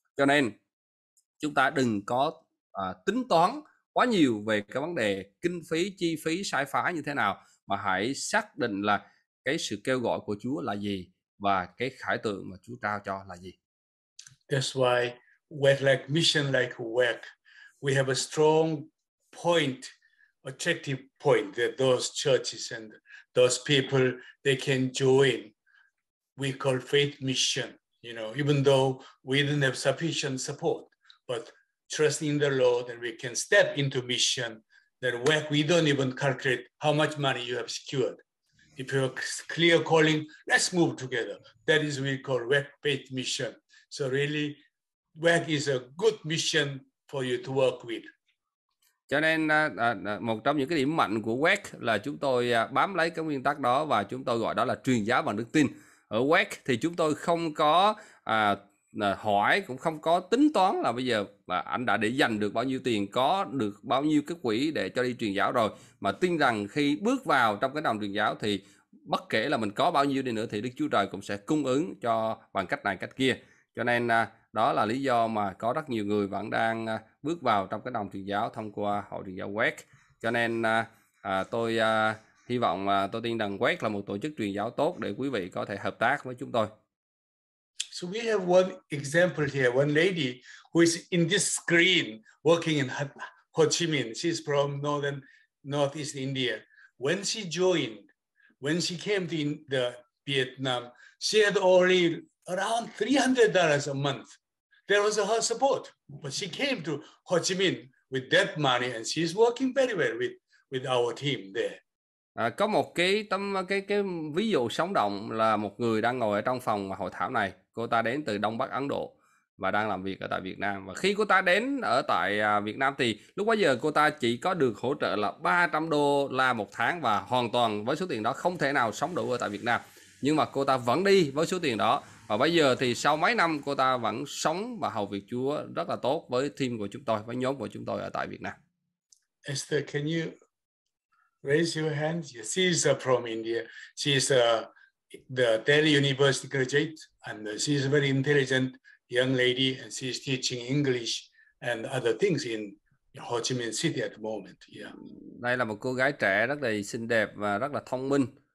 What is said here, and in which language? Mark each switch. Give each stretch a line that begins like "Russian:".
Vietnamese: Cho nên chúng ta đừng có tính toán quá nhiều về cái vấn đề kinh phí, chi phí, sai phá như thế nào, mà hãy xác định là cái sự kêu gọi của Chúa là gì và cái khải tượng mà Chúa trao cho là gì.
English: That's why work like mission like work. We have a strong point, attractive point that those churches and those people, they can join. We call faith mission, you know, even though we didn't have sufficient support, but trusting the Lord and we can step into mission, that work, we don't even calculate how much money you have secured. If you have a clear calling, let's move together. That is what we call work faith mission. So really, work is a good mission for you to work with.
Vietnamese: Cho nên một trong những cái điểm mạnh của WEC là chúng tôi bám lấy cái nguyên tắc đó, và chúng tôi gọi đó là truyền giáo bằng đức tin. Ở WEC thì chúng tôi không có hỏi, cũng không có tính toán là bây giờ là anh đã để dành được bao nhiêu tiền, có được bao nhiêu cái quỹ để cho đi truyền giáo rồi, mà tin rằng khi bước vào trong cái đồng truyền giáo thì bất kể là mình có bao nhiêu đi nữa thì Đức Chúa Trời cũng sẽ cung ứng cho bằng cách này cách kia. Cho nên đó là lý do mà có rất nhiều người vẫn đang bước vào trong cái đồng truyền giáo thông qua hội truyền giáo WEC. Cho nên tôi hy vọng, tôi tin rằng WEC là một tổ chức truyền giáo tốt để quý vị có thể hợp tác với chúng tôi.
English: So we have one example here, one lady who is in this screen working in Ho Chi Minh. She's from northeast India. When she joined, when she came to the Vietnam, she had already around $300 a month. There was her support, but she came to Ho Chi Minh with that money, and she's working very well with our team there.
Vietnamese: Có một cái ví dụ sống động là một người đang ngồi ở trong phòng hội thảo này. Cô ta đến từ Đông Bắc Ấn Độ và đang làm việc ở tại Việt Nam. Và khi cô ta đến ở tại Việt Nam thì lúc bấy giờ cô ta chỉ có được hỗ trợ là $300 một tháng, và hoàn toàn với số tiền đó không thể nào sống đủ ở tại Việt Nam. Nhưng mà cô ta vẫn đi với số tiền đó. Và bây giờ thì sau mấy năm cô ta vẫn sống và hầu việc Chúa rất là tốt với team của chúng tôi, với nhóm của chúng tôi ở tại Việt Nam.
English: Esther, can you raise your hand? She's from India. She's the Delhi University graduate, and she's a very intelligent young lady, and she's teaching English and other things in Ho Chi Minh City at the moment. Yeah.
Vietnamese: Đây là một cô gái trẻ rất là xinh đẹp và rất là thông minh.